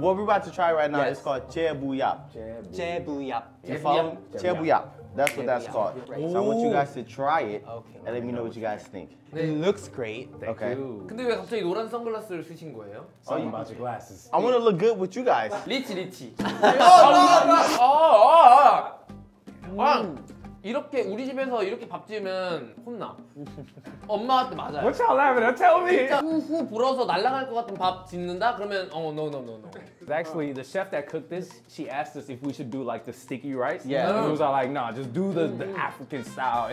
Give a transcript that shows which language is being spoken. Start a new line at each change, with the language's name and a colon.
English: What we're about to try right now is called jebuyap. Jebuyap. You follow? Jebuyap. That's what that's called. So I want you guys to try it and let me know what you guys think. It looks great. Thank you. But why did you switch to red glasses? Oh, you bought your glasses. I want to look good with you guys. Richie.
Korean: Oh, 이렇게 우리 집에서 이렇게 밥 지으면 혼나. 엄마한테 맞아요.
English: What y'all laughing at? Tell me.
Korean: 진짜 후후 불어서 날아갈 것 같은 밥 짓는다? 그러면 어,
English: no. Actually, the chef that cooked this, she asked us if we should do like the sticky rice. Yeah. And we was all like, nah, just do the African style.